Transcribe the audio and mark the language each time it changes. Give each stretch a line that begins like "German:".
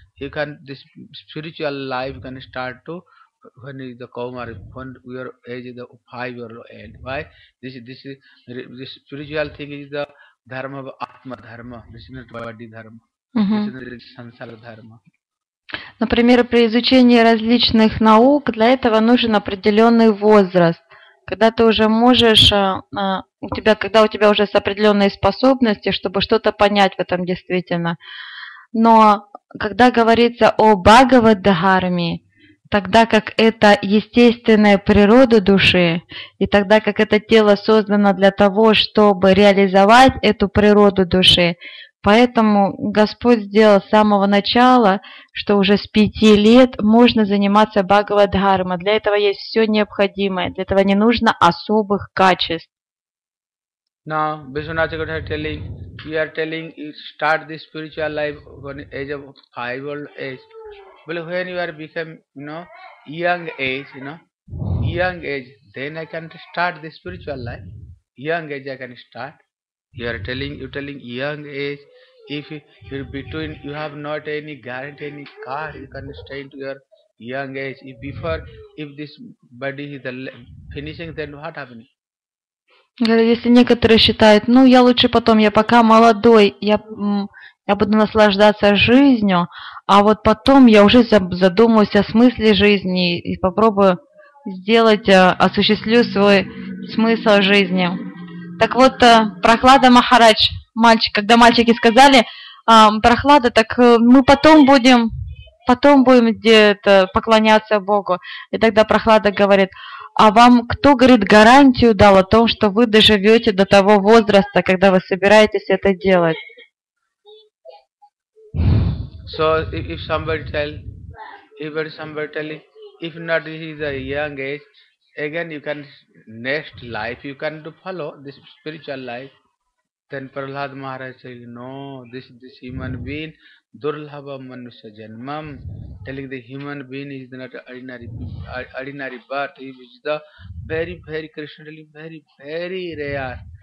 English: You can this spiritual life can start to when is the Kaumar, when your age is the 5 year old. Why? This spiritual thing is the dharma of atma dharma, this is not body dharma, this is sansara dharma.
Russian: Например, при изучении различных наук для этого нужен определенный возраст. Когда ты уже можешь, когда у тебя уже есть определенные способности, чтобы что-то понять в этом действительно. Но когда говорится о Бхагавад-дхарме, тогда как это естественная природа души, и тогда как это тело создано для того, чтобы реализовать эту природу души, поэтому Господь сделал с самого начала, что уже с 5 лет можно заниматься Бхагавад-дхарма. Для этого есть все необходимое, для этого не нужно особых качеств.
English: Now, Biswanath Chakur Thakur telling, you are telling, you start this spiritual life when age of 5 old age. Well, when you are become, you know, young age, then I can start this spiritual life. Young age I can start. You are telling young age, if you're between, you have not any guarantee, any car, you can stay into your young age. If this body is finishing, then what happens?
Russian: Если некоторые считают, ну я лучше потом, я пока молодой, я буду наслаждаться жизнью, а вот потом я уже задумаюсь о смысле жизни и попробую осуществлю свой смысл жизни. Так вот, Прохлада Махарадж, мальчик, когда мальчики сказали, Прохлада, так мы потом будем где-то поклоняться Богу. И тогда Прохлада говорит, а вам кто, говорит, гарантию дал о том, что вы доживете до того возраста, когда вы собираетесь это делать?
English: So, if somebody tell, if not this is a young age, again you can, next life, you can do follow this spiritual life, then Prahlad Maharaj say, no, this human being,
Sanskrit: Durlabha Manusha Janmam,
English: telling the human being is not ordinary birth, he is the very, very Krishna, telling very, very rare.